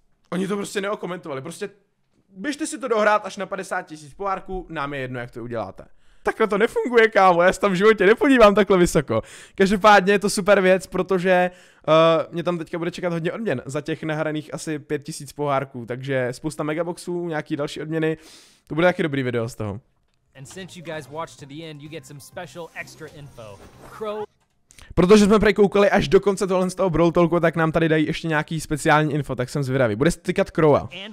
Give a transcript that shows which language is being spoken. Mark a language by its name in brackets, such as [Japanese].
[Czech] Oni to prostě neokomentovali, prostě běžte si to dohrát až na 50 tisíc pohárků, nám je jedno, jak to uděláte. takhle to nefunguje, kámo, já se tam v životě nepodívám takhle vysoko. Každopádně je to super věc, protože mě tam teďka bude čekat hodně odměn za těch nahraných asi 5000 pohárků, takže spousta megaboxů, nějaký další odměny, to bude taky dobrý video z toho. [English] And since you guys watched to the end, you get some special extra info. Crow... [Czech] Protože jsme prekoukali až do konce tohle z toho Brawl Talku, tak nám tady dají ještě nějaký speciální info, tak jsem zvědavý. Bude se týkat Crowa.